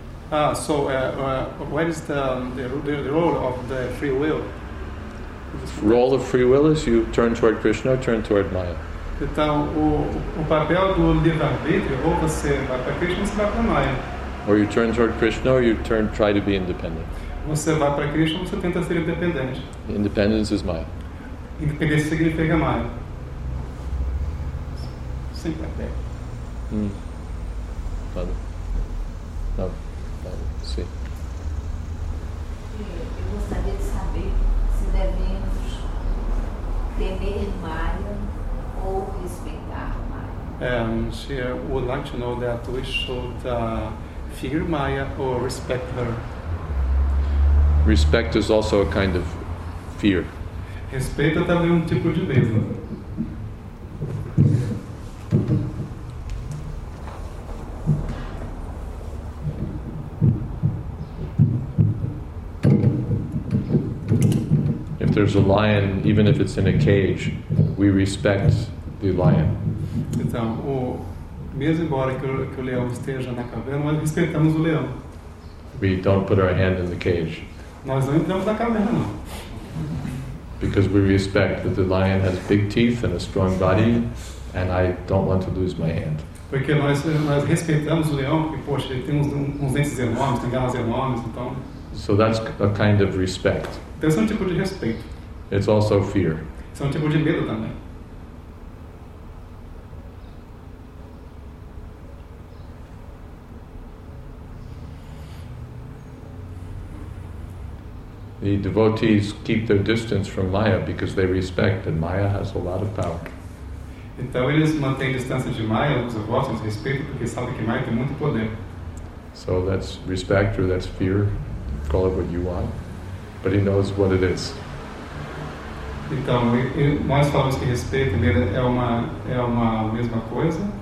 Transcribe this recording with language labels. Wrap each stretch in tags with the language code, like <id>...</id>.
<en>Ah, so what is the role of the free will? The role of free will is you turn toward Krishna or turn toward Maya.</en> <pt>Então, o papel do livre-arbítrio, ou você vai para Krishna ou você vai para Maya.</pt> <en>Or you turn toward Krishna or you turn try to be independent.</en> <pt>Você vai para Krishna ou você tenta ser independente.</pt> <en>Independence is Maya.</en> <pt>Independência significa Maya. Sim, Padre. Não. Sim. Eu gostaria de saber se devemos temer Maya ou respeitar Maya.</pt> <en>She would like to know that we should fear Maya or respect her. Respect is also a kind of fear.</en> <pt>Respeito é também tipo de medo.</pt> <en>If there's a lion, even if it's in a cage, we respect the lion.</en> <pt>Então, mesmo embora que o leão esteja na caverna, nós respeitamos o leão.</pt> <en>We don't put our hand in the cage.</en> <pt>Nós não entramos na caverna.</pt> <en>Because we respect that the lion has big teeth and a strong body, and I don't want to lose my hand.</en> <pt>Porque nós respeitamos o leão, porque, poxa, ele tem uns dentes enormes, tem garras enormes, então.</pt> <en>So that's a kind of respect.</en> <pt>Então, é um tipo de respeito.</pt> <en>It's also fear.</en> <pt>É um tipo de medo também.</pt> <en>The devotees keep their distance from Maya because they respect that Maya has a lot of power.</en> <pt>Então, eles mantêm distância de Maya, os devotos, respeito, porque sabem que Maya tem muito poder.</pt> <en>So that's respect or that's fear. Call it what you want. But he knows what it is.</en> <pt>Então, nós falamos que respeito é uma mesma coisa.</pt>